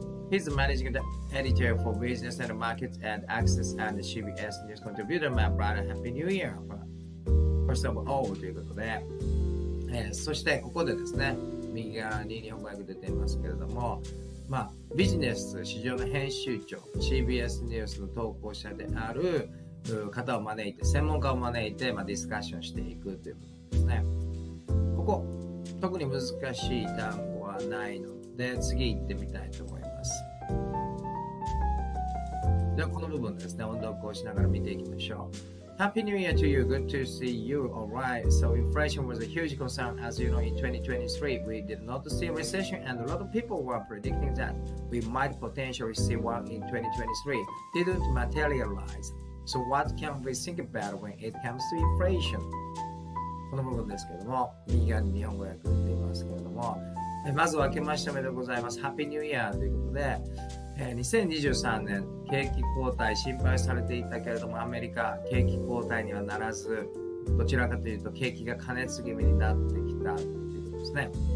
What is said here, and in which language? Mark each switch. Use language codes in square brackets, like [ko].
[en] He's the managing editor for Business and Markets and Access and CBS News contributor. My brother, Happy New Year! First of all, [ja] ということで、そしてここでですね、右側に日本語が出ていますけれども、まあ、ビジネス市場の編集長、CBS ニュースの投稿者である方を招いて、専門家を招いて、まあ、ディスカッションしていくということですね。ここ特に難しい単語はないので次行ってみたいと思います。ではこの部分ですね、音読をしながら見ていきましょう。 [en] Happy New Year to you. Good to see you. Alright, so inflation was a huge concern. As you know, in 2023 we did not see a recession and a lot of people were predicting that we might potentially see one in 2023. Didn't materializeSo what can we think about when it comes to inflation? [ja] この部分ですけれども、右側に日本語訳出ていますけれども、まずは明けましておめでございます。 [en] Happy New Year [ja] ということで、2023年、景気後退心配されていたけれども、アメリカ、景気後退にはならず、どちらかというと景気が過熱気味になってきたということですね。